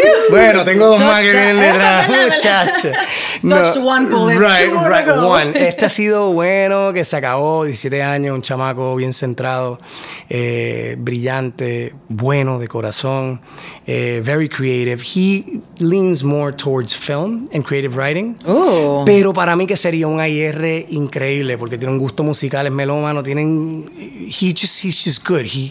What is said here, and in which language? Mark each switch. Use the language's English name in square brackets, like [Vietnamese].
[Spanish] Bueno, tengo dos más que vienen detrás, muchachos. [English] No, one bullet, right, two right, ago. One. [Spanish] Este ha sido bueno, que se acabó, 17 años, un chamaco bien centrado, brillante, bueno de corazón, [English] very creative. He leans more towards film and creative writing. Ooh. [Spanish] Pero para mí que sería un IR increíble, porque tiene un gusto musical, es melómano, tienen, [English] he's just good.